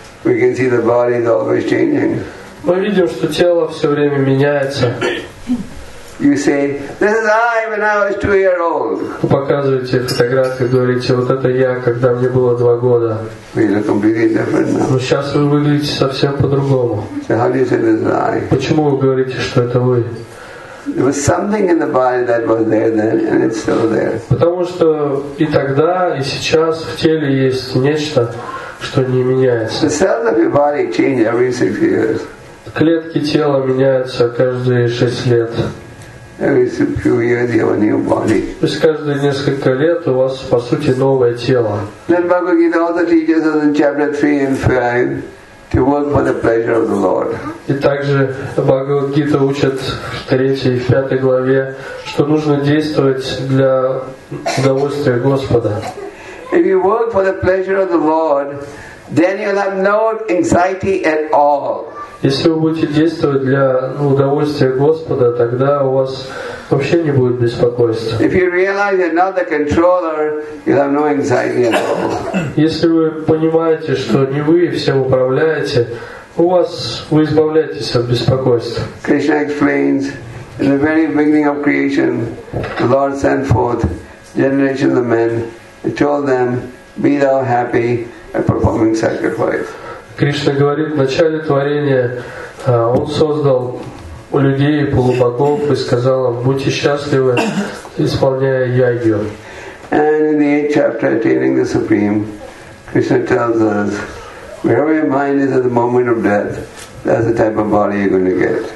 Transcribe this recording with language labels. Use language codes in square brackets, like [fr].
[en] We can see the body is always changing. [ru] Мы видим, что тело все время меняется. [en] You say, "This is I when I was 2 years old." [ru] Вы показываете фотографии, говорите, вот это я, когда мне было 2 года. [en] We look completely different now. [ru] Но сейчас вы выглядите совсем по-другому. [en] So how do you say, "This is I"? [ru] Почему вы говорите, что это вы? [en] There was something in the body that was there then, and it's still there. [ru] Потому что и тогда, и сейчас в теле есть нечто, что не меняется. [en] The cells of your body change every 6 years. [ru] Клетки тела меняются каждые 6 лет. [en] Every few years you have a new body. [ru] То есть каждые несколько лет у вас по сути новое тело. [en] Then Bhagavad Gita also teaches us in chapter 3 and 5 to work for the pleasure of the Lord. [ru] И также Бхагавад Гита учит в 3 и 5 главе, что нужно действовать для удовольствия Господа. [en] If you work for the pleasure of the Lord, then you'll have no anxiety at all. [ru] Если вы будете действовать для удовольствия Господа, тогда у вас вообще не будет беспокойства. [en] If you realize you're not the controller, you'll have no anxiety at all. [ru] Если вы понимаете, что не вы всем управляете, у вас вы избавляетесь от беспокойства. [en] Krishna explains, in the very beginning of creation, the Lord sent forth generations of men. He told them, "Be thou happy at performing sacrifice." [ru] Кришна говорит, в начале творения Он создал у людей полубогов и сказал им, будьте счастливы, исполняя яги. [en] And in the 8th chapter, attaining the supreme, Krishna tells us, wherever your mind is at the moment of death, that's the type of body you're going to get.